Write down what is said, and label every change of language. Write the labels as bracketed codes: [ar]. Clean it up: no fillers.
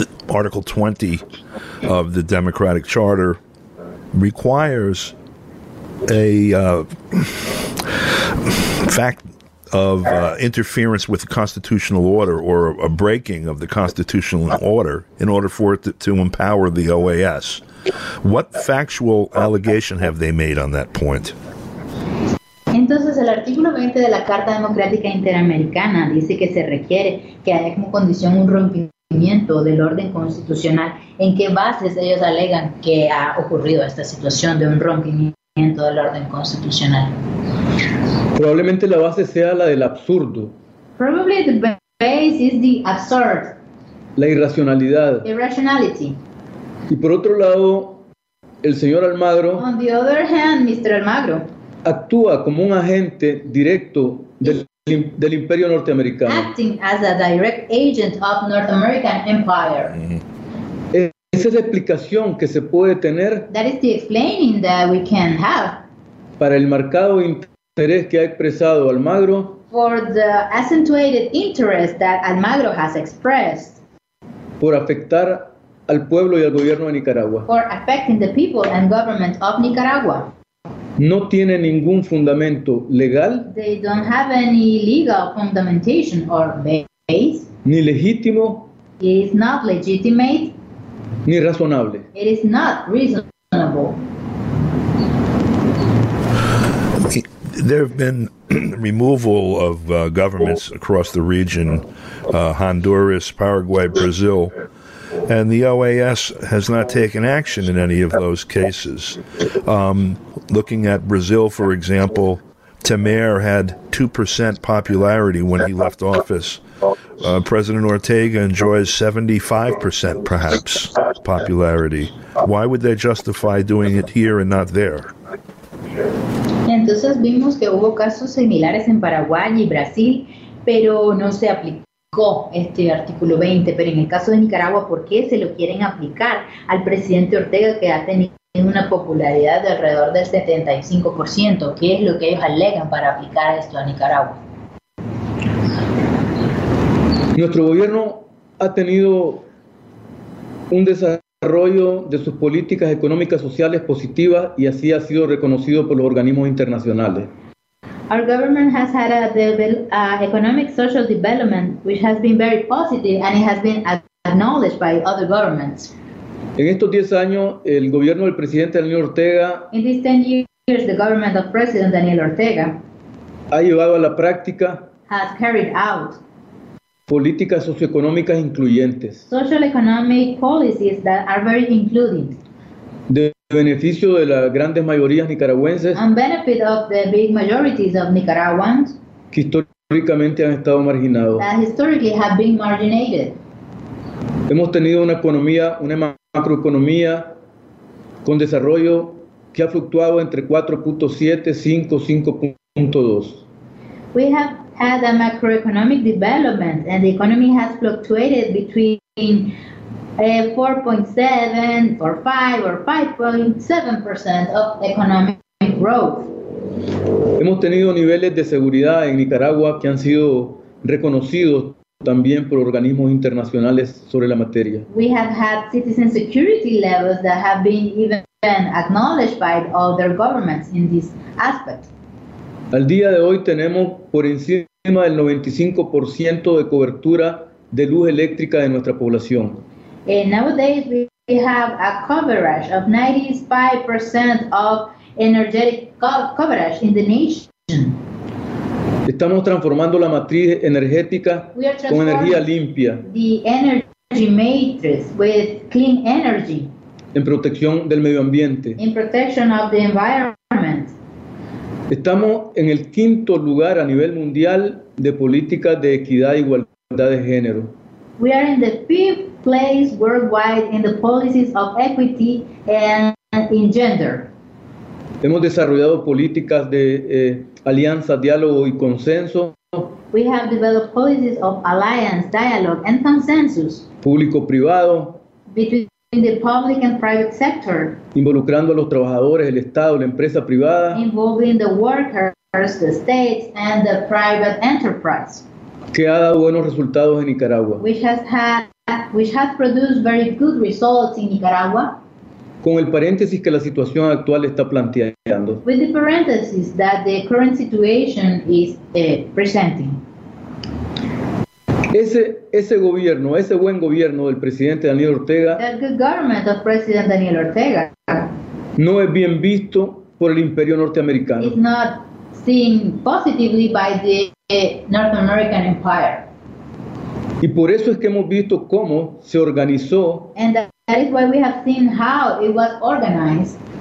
[en] Article 20 of the Democratic Charter requires a fact of interference with the constitutional order or a breaking of the constitutional order in order for it to empower the OAS. What factual allegation have they made on that point? [es] Entonces, el artículo 20 de la Carta Democrática Interamericana dice que se requiere que haya como condición un rompimiento del orden constitucional. ¿En qué bases ellos alegan que ha ocurrido esta situación de un rompimiento del orden constitucional? Probablemente la base sea la del absurdo. [en] Probably the base is the absurd. [es] La irracionalidad. [en] Irrationality. [es] Y por otro lado, el señor Almagro. [en] On the other hand, Mr. Almagro. [es] Actúa como un agente directo del Imperio Norteamericano. [en] Acting as a direct agent of North American Empire. [es] Esa es la explicación que se puede tener. [en] That is the explaining that we can have. [es] Para el marcado interés que ha expresado Almagro. [en] For the accentuated interest that Almagro has expressed. [es] Por afectar al pueblo y al gobierno de Nicaragua. [en] For affecting the people and government of Nicaragua. [es] No tiene ningún fundamento legal. [en] They don't have any legal fundamentation or base. [es] Ni legítimo. [en] It is not legitimate. [es] Ni razonable. [en] It is not reasonable. There have been removal of governments across the region, Honduras, Paraguay, Brazil. And the OAS has not taken action in any of those cases. Looking at Brazil, for example, Temer had 2% popularity when he left office. President Ortega enjoys 75%, perhaps, popularity. Why would they justify doing it here and not there? [es] Entonces vimos que hubo casos similares en Paraguay y Brasil, pero no se aplicó este artículo 20, pero en el caso de Nicaragua, ¿por qué se lo quieren aplicar al presidente Ortega, que ha tenido una popularidad de alrededor del 75%? ¿Qué es lo que ellos alegan para aplicar esto a Nicaragua? Nuestro gobierno ha tenido un desarrollo de sus políticas económicas sociales positivas y así ha sido reconocido por los organismos internacionales. [en] Our government has had a economic social development which has been very positive and it has been acknowledged by other governments. [es] En estos 10 años, el gobierno del presidente Daniel Ortega. [en] In these 10 years, the government of President Daniel Ortega [es] ha llevado a la práctica. [en] Has carried out [es] políticas socioeconómicas incluyentes. [en] Social economic policies that are very including. [es] De beneficio de las grandes mayorías nicaragüenses. [en] And benefit of the big majorities of Nicaraguans. [es] Que históricamente han estado marginados. [en] That historically have been marginated. [es] Hemos tenido una economía, una macroeconomía con desarrollo que ha fluctuado entre 4.7, 5, 5.2. [en] We have had a macroeconomic development and the economy has fluctuated between 4.7 or 5 or 5.7% of economic growth. [es] Hemos tenido niveles de seguridad en Nicaragua que han sido reconocidos también por organismos internacionales sobre la materia. [en] We have had citizen security levels that have been even acknowledged by other governments in this aspect. [es] Al día de hoy tenemos por encima del 95% de cobertura de luz eléctrica de nuestra población. [en] And nowadays, we have a coverage of 95% of energetic coverage in the nation. [es] Estamos transformando la matriz energética con energía limpia. [en] The energy matrix with clean energy. [es] En protección del medio ambiente. [en] In protection of the environment. [es] Estamos en el quinto lugar a nivel mundial de política de equidad e igualdad de género. [en] We are in the fifth place worldwide in the policies of equity and in gender. [es] Hemos desarrollado políticas de alianza, diálogo y consenso. [en] We have developed policies of alliance, dialogue, and consensus. [es] Público-privado. [en] Between the public and private sector. [es] Involucrando a los trabajadores, el Estado, la empresa privada. [en] Involving the workers, the states, and the private enterprise. [es] Que ha dado buenos resultados en Nicaragua. [en] Which has produced very good results in Nicaragua. [es] Con el paréntesis que la situación actual está planteando. [en] With the parenthesis that the current situation is presenting. [es] Ese gobierno, ese buen gobierno del presidente Daniel Ortega. [en] That good government of President Daniel Ortega. [es] No es bien visto por el imperio norteamericano. [en] Is not seen positively by the North American Empire. [es] Y por eso es que hemos visto cómo se organizó. [en] That is why we have seen how it was organized.